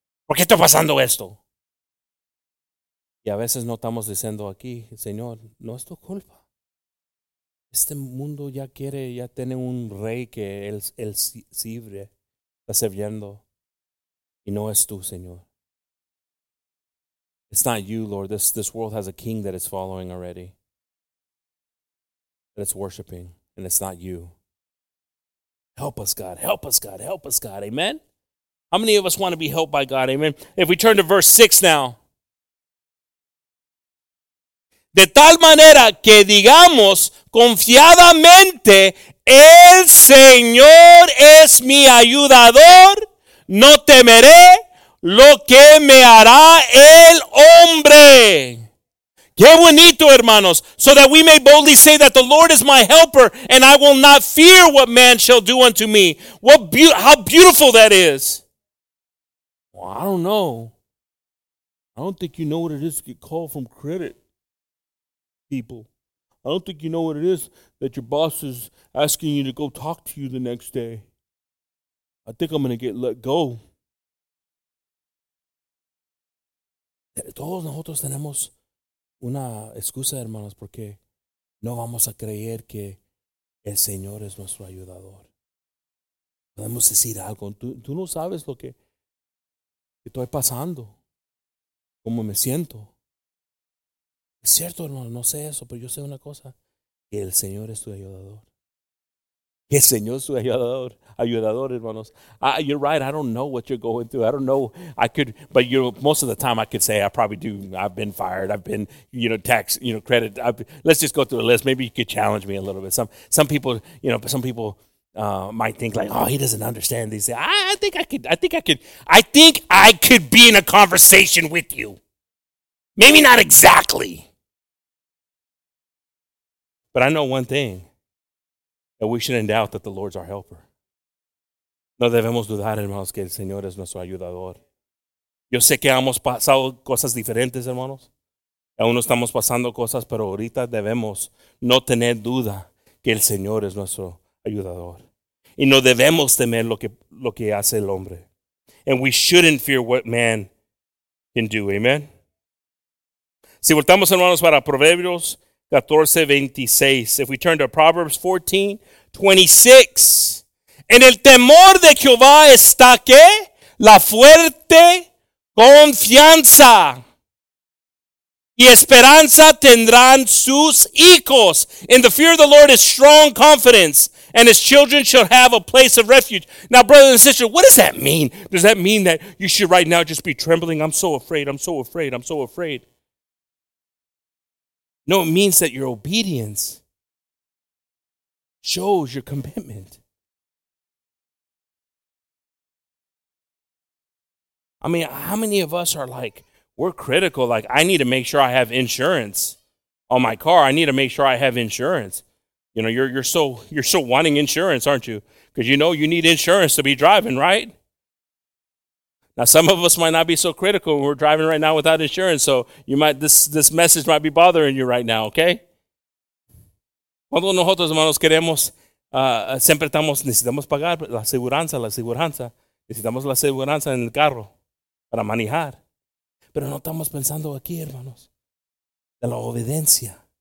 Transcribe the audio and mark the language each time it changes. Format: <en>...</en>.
<es>¿Por qué está pasando esto? Y a veces no estamos diciendo aquí, Señor, no es tu culpa. Este mundo ya quiere, ya tiene un rey que él sirve, está sirviendo. Y no es tú, Señor.</es> <en>It's not you, Lord. This world has a king that is following already. That it's worshiping, and it's not you. Help us, God. Help us, God. Help us, God. Amen? How many of us want to be helped by God? Amen. If we turn to verse 6 now.</en> <es>De tal manera que digamos confiadamente, el Señor es mi ayudador, no temeré lo que me hará el hombre. Qué bonito, hermanos.</es> <en>So that we may boldly say that the Lord is my helper, and I will not fear what man shall do unto me. How beautiful that is. Well, I don't know. I don't think you know what it is to get called from credit, people. I don't think you know what it is that your boss is asking you to go talk to you the next day. I think I'm going to get let go.</en> <es>Todos nosotros tenemos una excusa, hermanos, porque no vamos a creer que el Señor es nuestro ayudador. Podemos decir algo. Tú no sabes lo que estoy pasando, cómo me siento. Es cierto, hermano, no sé eso, pero yo sé una cosa. Que el Señor es tu ayudador. Que el Señor es tu ayudador. Ayudador, hermanos.</es> <en>You're right, I don't know what you're going through. I don't know, I could, but you know, most of the time I could say I probably do. I've been fired. I've been, you know, tax, you know, credit. Let's just go through the list. Maybe you could challenge me a little bit. Some people, you know, some people might think like, oh, he doesn't understand these things. I think I could be in a conversation with you. Maybe not exactly. But I know one thing, that we shouldn't doubt that the Lord's our helper.</en> <es>No debemos dudar, hermanos, que el Señor es nuestro ayudador. Yo sé que hemos pasado cosas diferentes, hermanos. Aún no estamos pasando cosas, pero ahorita debemos no tener duda que el Señor es nuestro ayudador. Y no debemos temer lo que hace el hombre.</es> <en>And we shouldn't fear what man can do.</en> <es>Amen. Si voltamos, hermanos, para Proverbios 14:26.</es> <en>If we turn to Proverbs 14:26.</en> <es>En el temor de Jehová está que la fuerte confianza. Y esperanza tendrán sus hijos.</es> <en>In the fear of the Lord is strong confidence, and his children shall have a place of refuge. Now, brothers and sisters, what does that mean? Does that mean that you should right now just be trembling? I'm so afraid, I'm so afraid, I'm so afraid. No, it means that your obedience shows your commitment. I mean, how many of us are like, we're critical, like, I need to make sure I have insurance on my car. I need to make sure I have insurance. You know, you're so wanting insurance, aren't you? Because you know you need insurance to be driving, right? Now, some of us might not be so critical. We're driving right now without insurance, so you might this message might be bothering you right now, okay?</en> <es>Cuando nosotros, hermanos, queremos, siempre estamos, necesitamos pagar la aseguranza. Necesitamos la aseguranza en el carro para manejar. Pero no estamos pensando aquí, hermanos, de la obediencia.</es>